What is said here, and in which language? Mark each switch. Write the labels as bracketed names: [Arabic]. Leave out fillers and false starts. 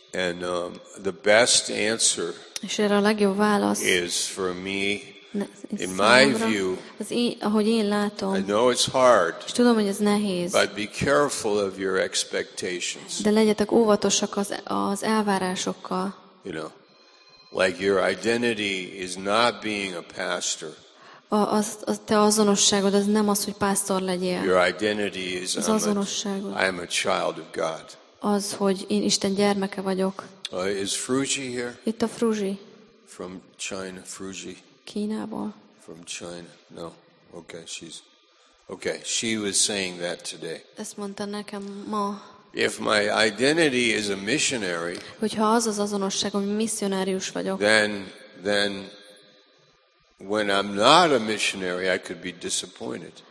[English] And the best answer. [Hungarian] És erre a legjobb válasz. [English] Is for me. In my view. [Hungarian] Az én, ahogy én látom. [English] I know it's hard. [Hungarian] És tudom, hogy ez nehéz. [English] But be careful of your expectations. [Hungarian] De legyetek óvatosak az elvárásokkal. [English] You know, like your identity is not being a pastor. [Hungarian] A te azonosságod az nem az, hogy pásztor legyél. [English] Your identity is [Hungarian] az azonosságod. [English] I am a child of God. [Hungarian] Az, hogy én Isten gyermeke vagyok. [English] Is Fruji here? [Hungarian] Itt a Fruji. [English] From China, Fruji. [Hungarian] Kínából. [English] From China. No. Okay, she's. Okay, she was saying that today. [Hungarian] Ezt mondta nekem ma. [English] If my identity is a missionary. [Hungarian] Hogyha az az azonosságom, hogy misszionárius vagyok. [English] Then when I'm not a missionary, I could be disappointed.